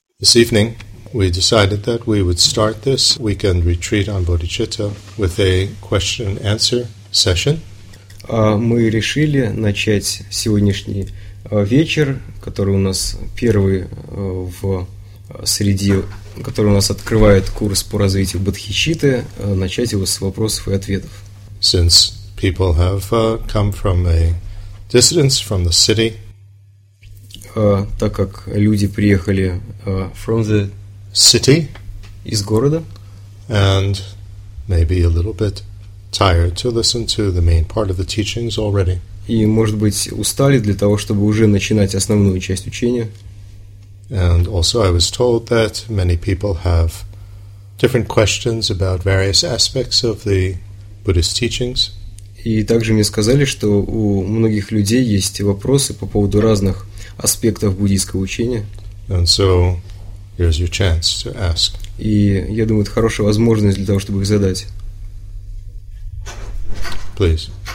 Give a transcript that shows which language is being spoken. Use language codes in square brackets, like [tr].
[en] This evening, we decided that we would start this weekend retreat on bodhicitta with a question and answer session. [ru] Мы решили начать сегодняшний вечер, который у нас первый в среди, который у нас открывает курс по развитию бодхичитты, начать его с вопросов и ответов. [en] Since people have come from a distance from the city, [ru] так как люди приехали [en] from the city, [ru] из города, [en] and maybe a little bit tired to listen to the main part of the teachings already. [ru] И, может быть, устали для того, чтобы уже начинать основную часть учения. [en] And also I was told that many people have different questions about various aspects of the Buddhist teachings. [ru] И также мне сказали, что у многих людей есть вопросы по поводу разных аспектов буддийского учения. [en] And so here's your chance to ask. [ru] И я думаю, это хорошая возможность для того, чтобы их задать. [en] Please.